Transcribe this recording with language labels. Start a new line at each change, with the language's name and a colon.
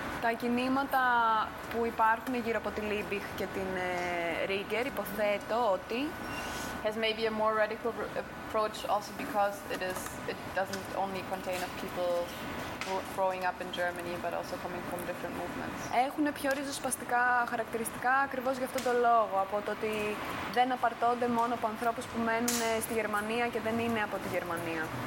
Greek: Τα κινήματα που υπάρχουν γύρω από τη Liebig και την Ρίγκερ, υποθέτω ότι
English: has maybe a more radical approach also because it doesn't only contain of people growing up in Germany but also coming from different movements.
Greek: Έχουν πιο ριζοσπαστικά χαρακτηριστικά ακριβώς για αυτό το λόγο, από το ότι δεν απαρτώνται μόνο από ανθρώπους που μένουν στη Γερμανία και δεν είναι από τη Γερμανία.